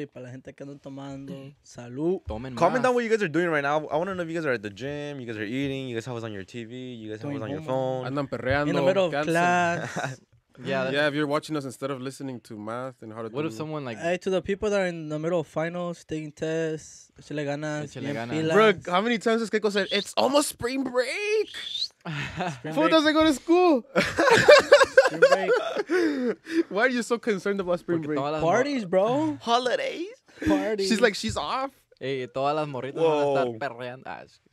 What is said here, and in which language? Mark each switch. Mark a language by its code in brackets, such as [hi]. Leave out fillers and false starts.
[es] Y para la gente que anda tomando, salud. [en] Comment down what you guys are doing right now. I want to know if you guys are at the gym, you guys are eating, you guys have us on your TV, you guys have us on your phone. [es] Andan perreando. [en] In the middle of class. Yeah, if you're watching us instead of listening to math and how to what if someone like... Hey, to the people that are in the middle of finals, taking tests, [es] echele ganas, bien pilas. [en] Bro, how many times has Keko said, it's almost spring break? Food doesn't go to school. Break. Why are you so concerned about spring break? Parties, bro. Holidays. Parties. She's like, she's off. [es] Hey, todas las morritas van a estar perreando.